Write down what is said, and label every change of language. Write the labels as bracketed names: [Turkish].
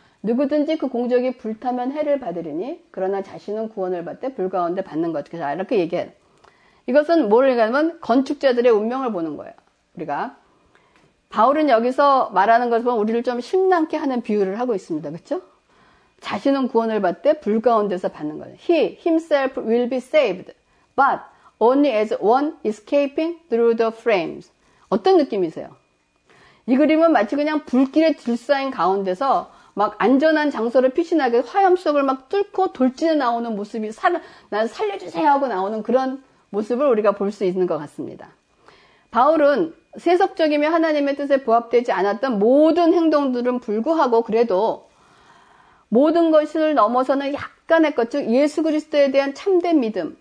[Korean] 누구든지 그 공적이 불타면 해를 받으리니 그러나 자신은 구원을 받되 불 가운데 받는 것. 그래서 이렇게 얘기해. 이것은 뭘 얘기하냐면 건축자들의 운명을 보는 거예요. 우리가 바울은 여기서 말하는 것을 보면 우리를 좀 심란케 하는 비유를 하고 있습니다. 그렇죠? 자신은 구원을 받되 불 가운데서 받는 거예요. [English] He himself will be saved, but only as one escaping through the flames. [Korean] 어떤 느낌이세요? 이 그림은 마치 그냥 불길에 둘러싸인 가운데서 막 안전한 장소를 피신하게 화염 속을 막 뚫고 돌진해 나오는 모습이 난 살려주세요 하고 나오는 그런 모습을 우리가 볼수 있는 것 같습니다. 바울은 세속적이며 하나님의 뜻에 부합되지 않았던 모든 행동들은 불구하고 그래도 모든 것을 넘어서는 약간의 것, 즉 예수 그리스도에 대한 참된 믿음.